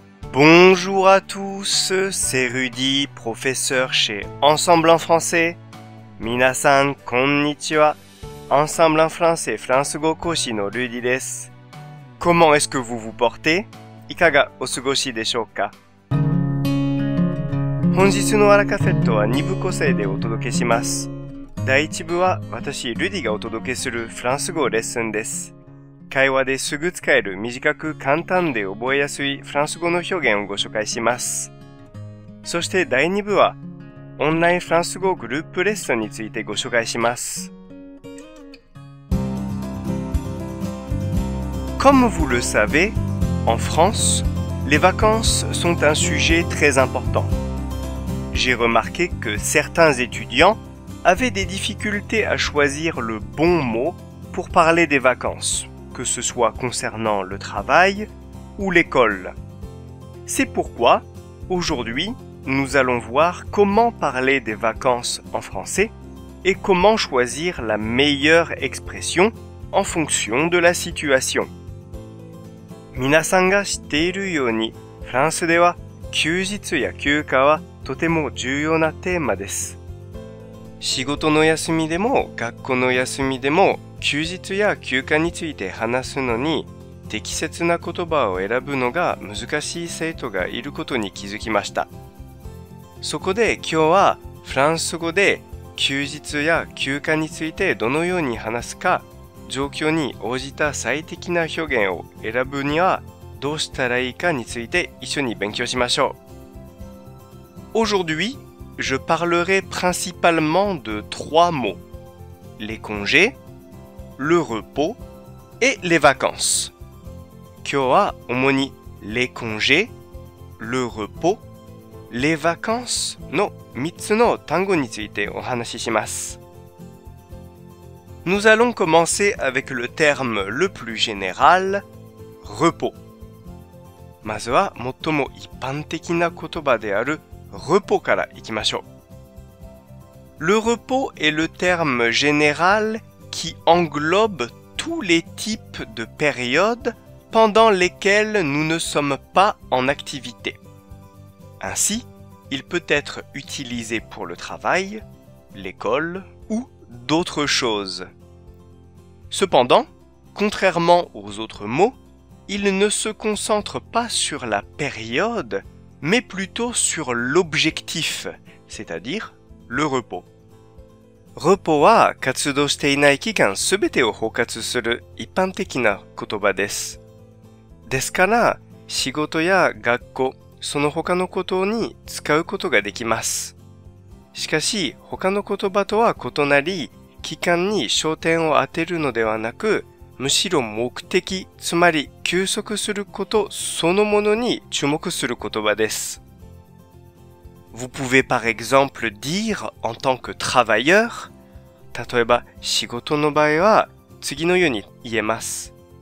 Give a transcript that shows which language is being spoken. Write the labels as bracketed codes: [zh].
[fr] Bonjour à tous, c'est Rudy, professeur chez Ensemble en français. [ja] 皆さん、こんにちは。 Ensemble en français, フランス語講師のルディです。 [fr] Comment est-ce que vous vous portez? [ja] いかがお過ごしでしょうか？本日のアラカフェットは2部構成でお届けします。第1部は私、ルディがお届けするフランス語レッスンです。会話ですぐ使える短く簡単で覚えやすいフランス語の表現をご紹介します。そして第2部はオンラインフランス語グループレッスンについてご紹介します。 [fr] Comme vous le savez, en France, les vacances sont un sujet très important. J'ai remarqué que certains étudiants avaient des difficultés à choisir le bon mot pour parler des vacances, que ce soit concernant le travail ou l'école. C'est pourquoi, aujourd'hui, nous allons voir comment parler des vacances en français et comment choisir la meilleure expression en fonction de la situation. [ja] 皆さんが知っているように、フランスでは休日や休暇はとても重要なテーマです。仕事の休みでも学校の休みでも休日や休暇について話すのに適切な言葉を選ぶのが難しい生徒がいることに気づきました。そこで今日はフランス語で休日や休暇についてどのように話すか、状況に応じた最適な表現を選ぶにはどうしたらいいかについて一緒に勉強しましょう。 [fr] Aujourd'hui, je parlerai principalement de trois mots. Les congés, le repos et les vacances. [ja] 今日は主に [fr] les congés, le repos, les vacances [ja] の3つの単語についてお話しします。 [fr] Nous allons commencer avec le terme le plus général, repos. [ja] まずは最も一般的な言葉である repos から行きましょう。 [fr] Le repos est le terme général qui englobe tous les types de périodes pendant lesquelles nous ne sommes pas en activité. Ainsi, il peut être utilisé pour le travail, l'école ou d'autres choses. Cependant, contrairement aux autres mots, il ne se concentre pas sur la période, mais plutôt sur l'objectif, c'est-à-dire le repos. [ja] Repos は活動していない期間すべてを包括する一般的な言葉です。ですから、仕事や学校、その他のことに使うことができます。しかし、他の言葉とは異なり、期間に焦点を当てるのではなく、むしろ目的、つまり休息することそのものに注目する言葉です。 [fr] Vous pouvez par exemple dire en tant que travailleur、 [ja] 例えば仕事の場合は次のように言えます。